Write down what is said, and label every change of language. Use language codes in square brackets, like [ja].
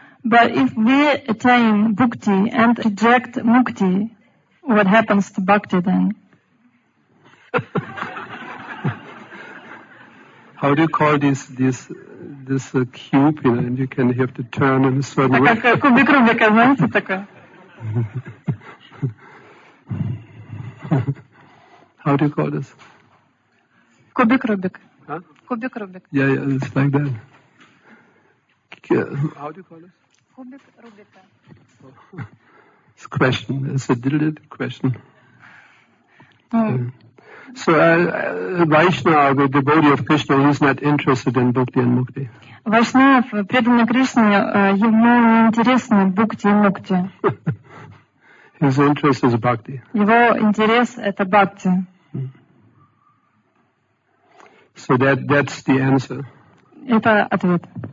[en] But if we attain bhakti and reject mukti, what happens to bhakti then? How do you call this cube, you know, and you can have to turn in a certain way? [ru] Кубик Рубика, знаете, такой. [en] How do you call this? [ru] Кубик Рубик. Huh? Кубик Рубик. [en] Yeah, yeah, it's like that. How do you call this? [ru] Кубик Рубик. [en] It's a question. It's a deleted question. So Vaishnava, the devotee of Krishna, is not interested in bhakti and mukti. [ru] Vaishnav, преданный Кришне, ему не интересны бхакти и мукти. [en] His interest is bhakti. [ru] Его интерес – это бхакти. [en] So that's the answer. [ru] Это ответ.